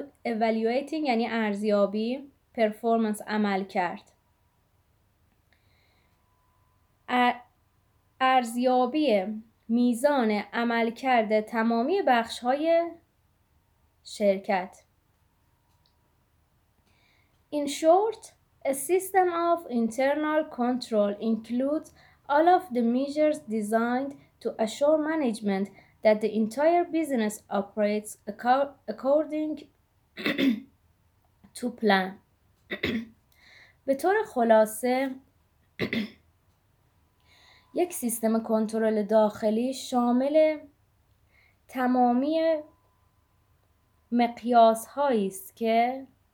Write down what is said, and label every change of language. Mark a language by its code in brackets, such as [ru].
[fa] Evaluating یعنی ارزیابی. Performance، عمل کرد. ارزیابی میزان عمل کرده تمامی بخش های شرکت. [en] In short، a system of internal control includes all of the measures designed to assure management that the entire business operates according to plan. [fa] به طور خلاصه یک سیستم کنترل داخلی شامل تمامی مقیاس هایی است که